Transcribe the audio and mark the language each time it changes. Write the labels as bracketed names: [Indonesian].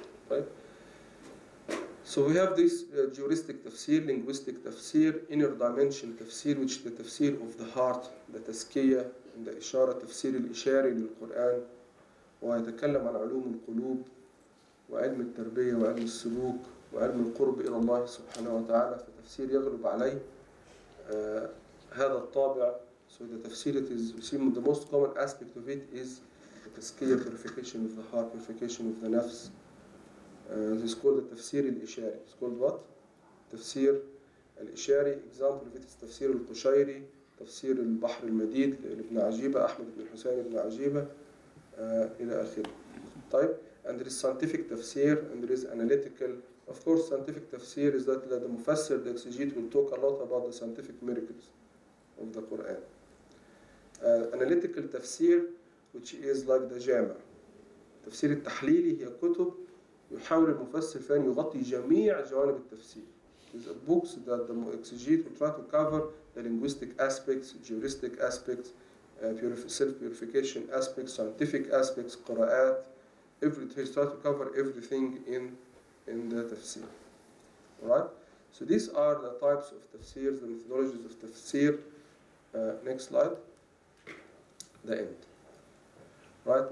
[English] طيب. So we have this juristic tafsir, linguistic tafsir, inner dimension tafsir, which is the tafsir of the heart, the taskiya, and the ishara tafsir al-ishari in the Quran. [Arabic] ويتكلم عن علوم القلوب وعلم التربية وعلم السلوك وعلم القرب إلى الله سبحانه وتعالى. فتفسير يغلب عليه هذا الطابع. [English] So the tafsir, it is, see, the most common aspect of it is the taskiya, purification of the heart, purification of the nafs. This is called the tafsir al-ishari. It's called what? Tafsir al-ishari. Example of it is tafsir al-qushayri, tafsir al-bahr al-madid, ibn Ajiba, Ahmed ibn Hussein ibn Ajiba, ila akhir. طيب. And there is scientific tafsir, and there is analytical. Of course, scientific tafsir is that the mufassir, the exegete, will talk a lot about the scientific miracles of the Quran. Analytical tafsir, which is like the jama. [Arabic] Tafsir al-tahlili, هي كتب يحاول المفسر فان يغطي جميع جوانب التفسير. [English] These are books that the exegete will try to cover the linguistic aspects, juristic aspects, self-purification aspects, scientific aspects, قراءات. Everything, try to cover everything in the tafsir. Alright? So these are the types of tafsir, the methodologies of tafsir. Next slide. The end. Right?